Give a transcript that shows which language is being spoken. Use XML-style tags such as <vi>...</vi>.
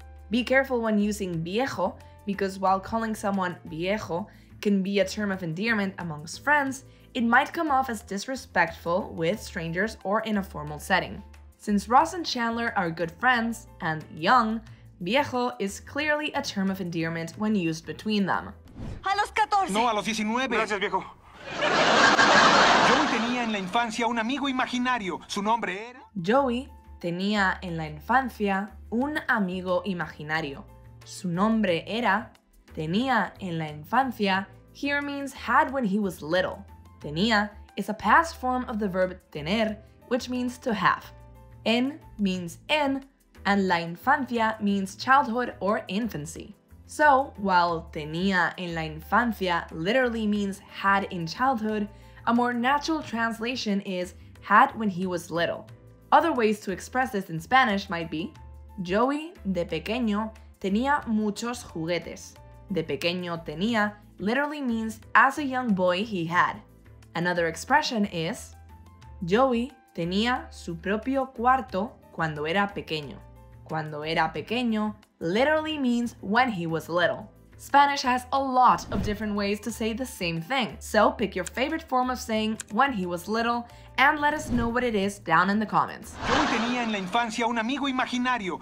<en>Be careful when using viejo because while calling someone viejo can be a term of endearment amongst friends, it might come off as disrespectful with strangers or in a formal setting. Since Ross and Chandler are good friends and young, viejo is clearly a term of endearment when used between them.</en> <es>A los 14. No, a los 19. Gracias, viejo. Joey tenía en la infancia un amigo imaginario. Su nombre era... Joey tenía en la infancia un amigo imaginario. Su nombre era... Tenía en la infancia</es> <en>here means had when he was little. Tenía is a past form of the verb tener, which means to have. En means in, and la infancia means childhood or infancy. So, while</en> <es>tenía en la infancia</es> <en>literally means had in childhood, a more natural translation is had when he was little. Other ways to express this in Spanish might be</en> <es>Joey de pequeño tenía muchos juguetes. De pequeño tenía</es> <en>literally means as a young boy he had. Another expression is</en> <es>Joey tenía su propio cuarto cuando era pequeño. Cuando era pequeño</es> <en>literally means when he was little. Spanish has a lot of different ways to say the same thing, so pick your favorite form of saying when he was little and let us know what it is down in the comments.</en> <es>Joey tenía en la infancia un amigo imaginario.</es>